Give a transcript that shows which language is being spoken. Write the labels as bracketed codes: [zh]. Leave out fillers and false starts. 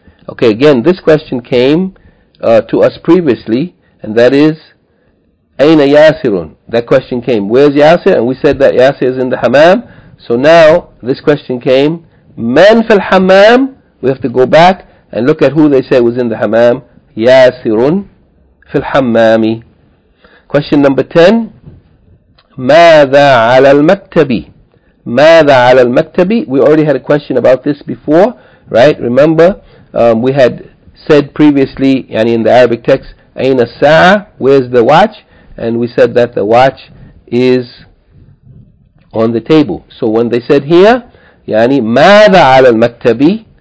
[en] Okay, again, this question came to us previously, and that is [ar] Aina Yasirun. [en] That question came, where's Yasir? And we said that Yasir is in the hammam. So now, this question came, [ar] man fil hammam, [en] we have to go back and look at who they say was in the hammam, [ar] yasirun fil hammami. [en] Question number 10, [ar] ماذا على المكتبي? ماذا على المكتبي? [en] We already had a question about this before, right? Remember, we had said previously, in the Arabic text, [ar] أين الساعة? [en] Where's the watch? And we said that the watch is on the table. So when they said here, ماذا على المكتبي?